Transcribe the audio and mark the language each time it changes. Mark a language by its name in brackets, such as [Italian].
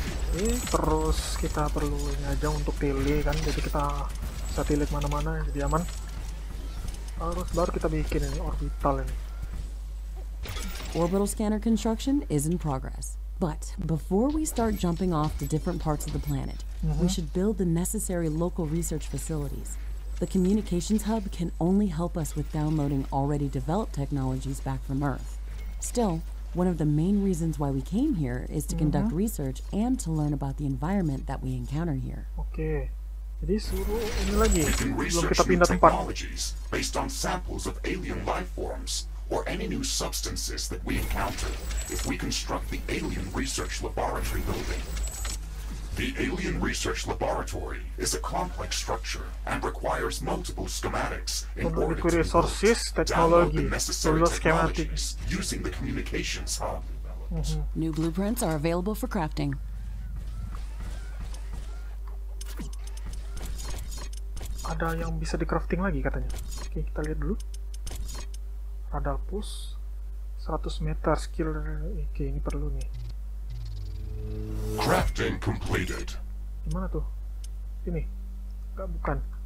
[Indonesian] Oke, terus kita perlu ini aja untuk pilih kan, jadi kita bisa pilih kemana-mana jadi aman. Terus baru kita bikin ini orbital ini. [English] Orbital scanner construction is in progress. But before we start jumping off to different parts of the planet, we should build the necessary local research facilities. The communications hub can only help us with downloading already developed technologies back from Earth. Still, one of the main reasons why we came here is to conduct research and to learn about the environment that we encounter here. [Indonesian] Okay. Jadi suruh ini lagi. Belum kita pindah tempat. [English] Based on samples of alien life forms or any new substances that we encounter, if we construct the Alien Research Laboratory building. The Alien Research Laboratory is a complex structure and requires multiple schematics in order to resources, technology, download the schematics using the communications hub. New blueprints are available for crafting. [Indonesian] Ada yang bisa di-crafting lagi katanya. Oke, kita lihat dulu. [English] Radar pulse 100 meter skill. [Indonesian] Oke, ini perlu nih. [English] Crafting completed. [Indonesian] Gimana tuh? Sini. Enggak, bukan.